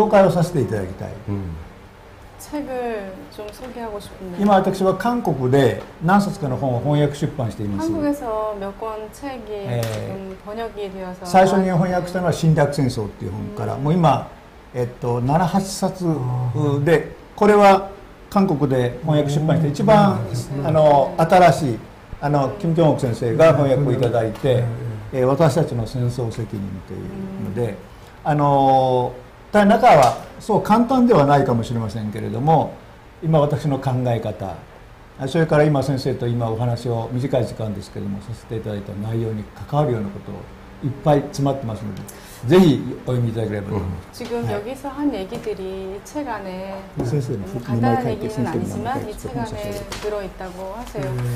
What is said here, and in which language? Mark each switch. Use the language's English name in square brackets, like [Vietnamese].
[Japanese] 一番必要じゃないかなっていう話をおっしゃってます。私もあの東北アジア平和共同体っていう学会を作りまして、今日本ではそのリーダーの一人に元総理大臣の鳩山由紀夫さんがなっています。ちょっとここで先生一つ出版というか本の紹介をさせていただきたい。 [Korean] 책을 좀 소개하고 싶네요. [Japanese] 今 私は [Korean] 한국에 [Japanese] 何冊かの本を翻訳出版しています。 [Korean] 한국에서 몇 권 책이 번역이 되어서 최초에 번역한 건 [Japanese] 侵略戦争っていう本から もう今7、8冊で これは韓国で翻訳出版して一番新しい、あの、キム・ジョンオク先生が翻訳をいただいて、私たちの戦争責任というので、中はそう簡単ではないかもしれませんけれども、 今私の考え方、それから今先生と今お話を短い時間ですけれども、させていただいた内容に関わるようなことをいっぱい詰まってますので、ぜひお読みいただければと思います。 [Korean] 지금 여기서 한 얘기들이 책 안에 간단한 얘기는 아니지만 이 책 안에 들어있다고 하세요.